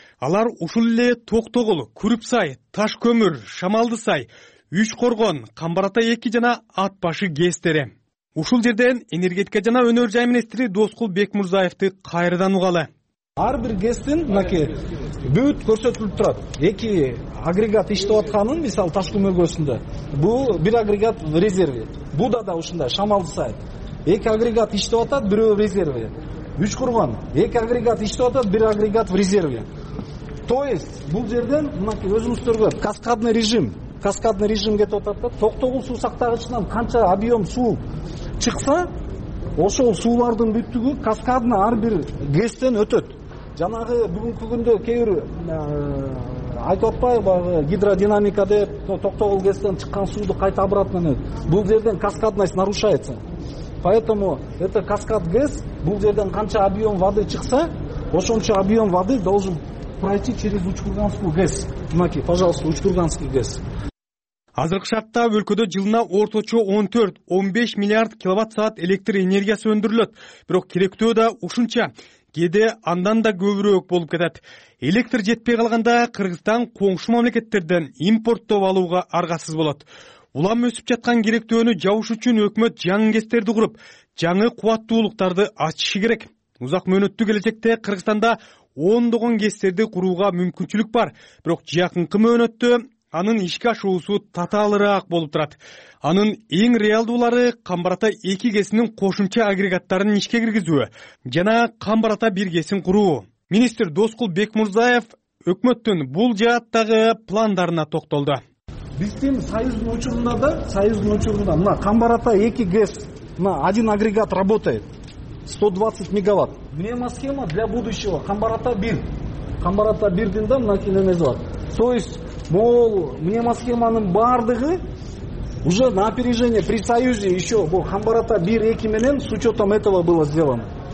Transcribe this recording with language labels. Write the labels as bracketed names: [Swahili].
[Kyrgyz] Алар ушул эле Токтогул, Курупсай, Таш Көмүр, Шамалдысай, Үч Коргон, Камбарата 2 жана Атбашы ГЭС-тери. Ушул жерден энергетика жана өнөр жай министри Доскул Бекмурзаевди кайрадан угалы. Ар бир ГЭС-тин мынакей бүт көрсөтүлүп турат. Эки агрегат иштеп атканын мисалы Таш Көмүр көсүндө. Бул бир агрегат резерви. Буда да ушундай Шамалдысай. Эки агрегат иштеп атат, бирөө резерви. Үч Курган эки агрегат иштеп атат, бир агрегат в резерви. То есть бул жерден мынакей өзүңүздөргө каскадный режим каскадный режим кетип атат да, токтогул суу сактагычынан канча объем суу чыкса, ошол суулардын бүттүгү каскадны ар бир гэстен өтөт. Жанагы бүгүнкү күндө кээ бир айтып атпайбы, баягы гидродинамика деп токтогул гэстен чыккан сууду кайта [Russian] обратно [Kyrgyz] өтөт. Бул жерден [Russian] каскадность нарушается. Поэтому это каскад ГЭС, [Kyrgyz] бул жерден канча [Russian] объем воды [Kyrgyz] чыкса, ошончо [Russian] объем воды должен пройти через Учкурганскую ГЭС. Маки, пожалуйста, Учкурганский ГЭС. [Kyrgyz] Азыркы шартта өлкөдө жылына орточо 14-15 миллиард киловатт-саат электр энергиясы өндүрүлөт. Бирок керектөө да ушунча, кээде андан да көбүрөөк болуп кетет. Электр жетпей калганда Кыргызстан коңшу мамлекеттерден импорттоп алууга аргасыз болот. Улам өсүп жаткан керектөөнү жабыш үчүн өкмөт жаңы кесиптерди куруп, жаңы кубаттуулуктарды ачышы керек. Узак мөөнөттүү келечекте Кыргызстанда ондогон кесиптерди курууга мүмкүнчүлүк бар, бирок жакынкы мөөнөттө анын ишке ашуусу татаалыраак болуп турат. Анын эң реалдуулары Камбарата 2 кесинин кошумча агрегаттарын ишке киргизүү жана Камбарата 1 кесин куруу. Министр Доскул Бекмурзаев өкмөттүн бул жааттагы пландарына токтолду. Биздин союздун учурунда мына Камбарата 2 ГЭС, мына [Russian] один агрегат работает 120 мегаватт. Мнемосхема для будущего Камбарата 1. [Kyrgyz] Камбарата 1-дин да мына кинемеси бар. То есть мол мнемосхеманын бардыгы [Russian] уже на опережение при союзе еще [Kyrgyz] бул Камбарата 1-2 менен [Russian] с учетом этого было сделано.